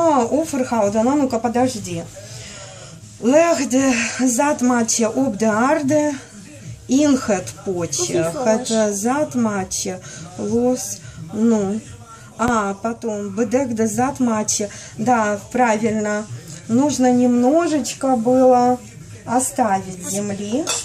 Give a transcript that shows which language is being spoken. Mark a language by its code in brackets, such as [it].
[nl] Overhouden, nou, [ru] ну-ка, подожди. [nl] Leg de zaadmatje op de aarde in het potje. Het zaadmatje los, ну. [ru] Потом, [nl] bedek de zaadmatje. [ru] Да, правильно. Нужно немножечко было оставить земли.